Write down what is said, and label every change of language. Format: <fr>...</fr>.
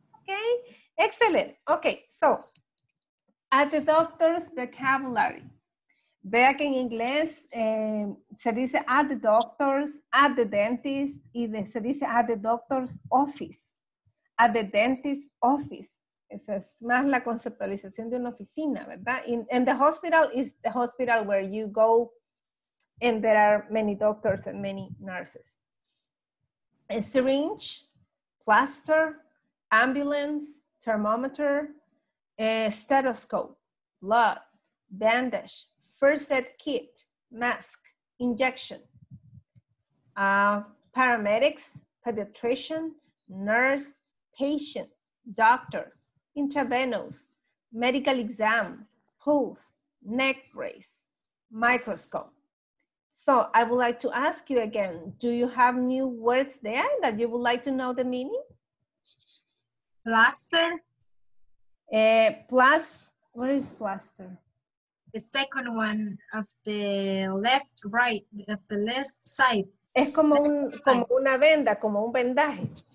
<en>Okay, excellent. Okay, so, at the doctor's vocabulary.</en> <es>Vea que en inglés se dice</es> <en>at the doctor's, at the dentist,</en> <es>y se dice</es> <en>at the doctor's office. At the dentist's office.</en> <es>Esa es más la conceptualización de una oficina, ¿verdad?</es> <en>In the hospital is the hospital where you go and there are many doctors and many nurses. A syringe, plaster, ambulance, thermometer, a stethoscope, blood, bandage, first aid kit, mask, injection, paramedics, pediatrician, nurse, patient, doctor, intravenous, medical exam, pulse, neck brace, microscope. So I would like to ask you again, do you have new words there that you would like to know the meaning? Plaster. What is plaster? The second one of the left, right, of the left side.</en> <es>Es como, como una venda, como un vendaje.</es>